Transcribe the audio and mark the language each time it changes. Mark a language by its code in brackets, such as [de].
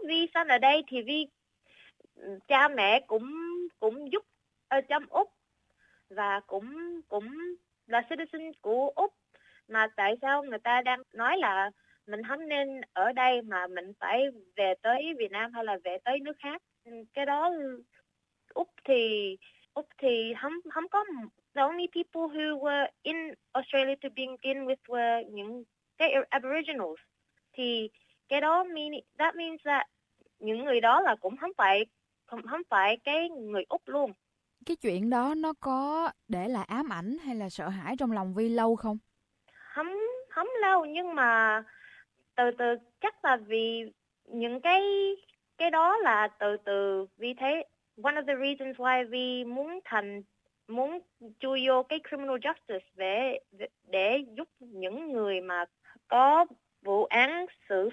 [vi] Vi sanh ở đây thì Vi cha mẹ cũng cũng giúp ở trong Úc và cũng cũng là citizen của Úc, mà tại sao người ta đang nói là mình không nên ở đây mà mình phải về tới Việt Nam hay là về tới nước khác. Cái đó Úc thì không không có, [en] the only people who were in Australia to begin with were [vi] những cái Aboriginals. Thì cái đó [en] that means that [vi] những người đó là cũng không phải cái người Úc luôn. Cái chuyện đó nó có để lại ám ảnh hay là sợ hãi trong lòng Vi lâu không? Không không lâu, nhưng mà từ từ, chắc là vì những cái đó là từ từ vì thế [en] one of the reasons why [vi] Vi muốn chui vô cái criminal justice để giúp những người mà có vụ án xử